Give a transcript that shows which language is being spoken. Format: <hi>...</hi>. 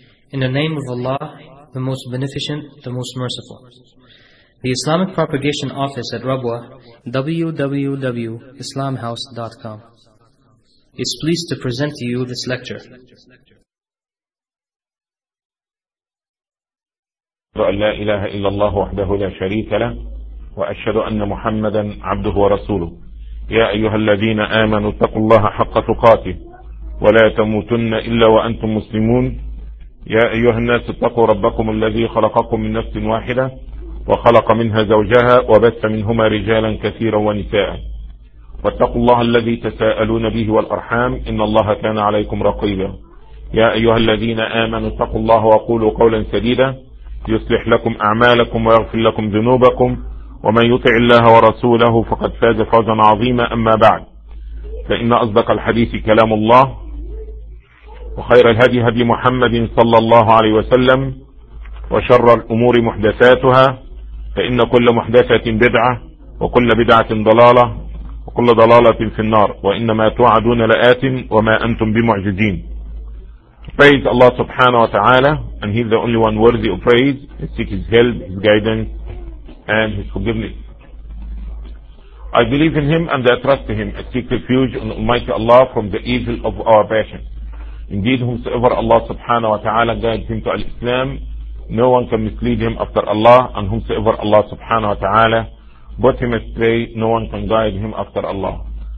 <en>In the name of Allah, the Most Beneficent, the Most Merciful. The Islamic Propagation Office at Rabwa, www.islamhouse.com, is pleased to present to you this lecture.</en> <ar>لا إله إلا الله وحده لا شريك له وأشهد أن محمدا عبده ورسوله يا أيها الذين آمنوا اتقوا الله حق تقاته ولا تموتن إلا وأنتم مسلمون يا أيها الناس اتقوا ربكم الذي خلقكم من نفس واحدة وخلق منها زوجها وبث منهما رجالا كثيرا ونساء واتقوا الله الذي تساءلون به والأرحام إن الله كان عليكم رقيبا يا أيها الذين آمنوا اتقوا الله وقولوا قولا سديدا يصلح لكم أعمالكم ويغفر لكم ذنوبكم ومن يطع الله ورسوله فقد فاز فوزا عظيما أما بعد فإن أصدق الحديث كلام الله وخير الهدي هدي محمد صلى الله عليه وسلم وشر الأمور محدثاتها فإن كل محدثة بدعة وكل بدعة ضلالة وكل ضلالة في النار وإنما توعدون لآت وما أنتم بمعجزين.</ar> <en>Praise Allah subhanahu wa ta'ala, and He is the only one worthy of praise. I seek His help, His guidance, and His forgiveness. I believe in Him and I trust Him. I seek refuge in Almighty Allah from the evil of our passion. Indeed, whomsoever Allah subhanahu wa ta'ala guides him to Al-Islam, no one can mislead him after Allah, and whomsoever Allah subhanahu wa ta'ala brought him astray, no one can guide him after Allah.</en>